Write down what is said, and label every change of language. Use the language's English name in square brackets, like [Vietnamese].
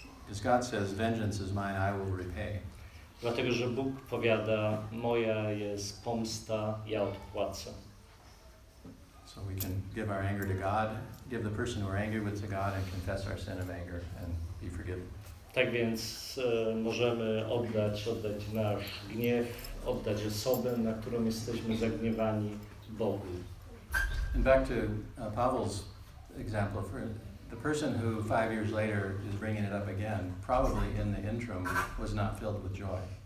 [English] As God says, vengeance is mine, I will repay. [Polish] Dlatego, że Bóg powiada, moja jest pomsta, ja odpłacę. [English] So we can give our anger to God, give the person we're angry with to God and confess our sin of anger and be forgiven. [Polish] Tak więc możemy oddać nasz gniew, oddać osobę, na którą jesteśmy zagniewani, Bogu. [English] And back to Pavel's example, for the person who 5 years later is bringing it up again, probably in the interim was not filled with joy.